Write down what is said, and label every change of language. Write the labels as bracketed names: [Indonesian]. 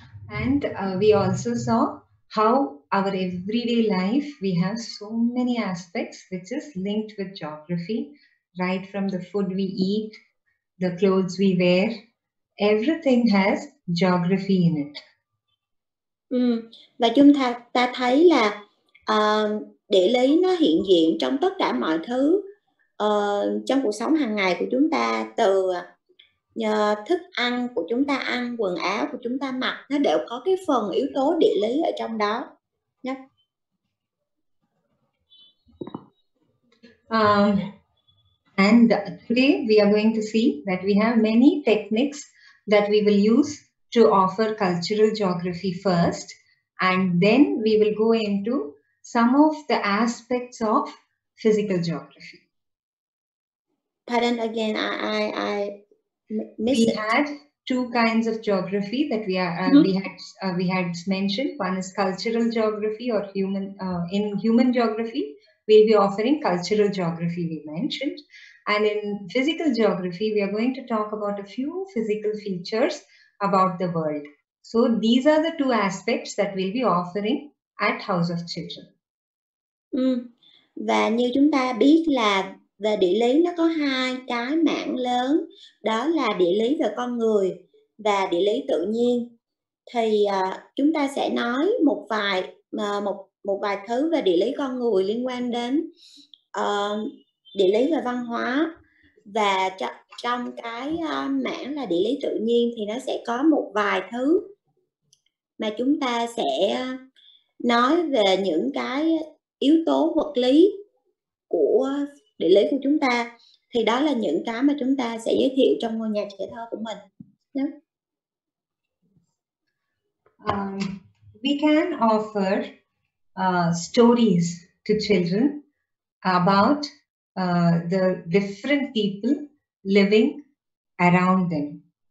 [English] And we also saw how our everyday life, we have so many aspects which is linked with geography, right from the food we eat, the clothes we wear, everything has geography in it. [Vietnamese] Và chúng ta thấy là địa lý nó hiện diện trong tất cả mọi thứ trong cuộc sống hàng ngày của chúng ta, từ thức ăn của chúng ta ăn, quần áo của chúng ta mặc, nó đều có cái phần yếu tố địa lý ở trong đó nhé. [English] And today we are going to see that we have many techniques that we will use to offer cultural geography first, and then we will go into some of the aspects of physical geography. Pardon again, I missed. We had two kinds of geography that we are we had mentioned. One is cultural geography or human in human geography. We'll be offering cultural geography, we mentioned. And in physical geography, we are going to talk about a few physical features about the world. So these are the two aspects that we'll be offering at House of Children. [Vietnamese] Và như chúng ta biết là về địa lý nó có hai cái mảng lớn, đó là địa lý về con người và địa lý tự nhiên. Thì chúng ta sẽ nói một vài thứ về địa lý con người liên quan đến địa lý về văn hóa, và trong cái mảng là địa lý tự nhiên thì nó sẽ có một vài thứ mà chúng ta sẽ nói về những cái yếu tố vật lý của địa lý của chúng ta, thì đó là những cái mà chúng ta sẽ giới thiệu trong ngôi nhà trẻ thơ của mình. [English] We can offer stories to children about the different people living around them.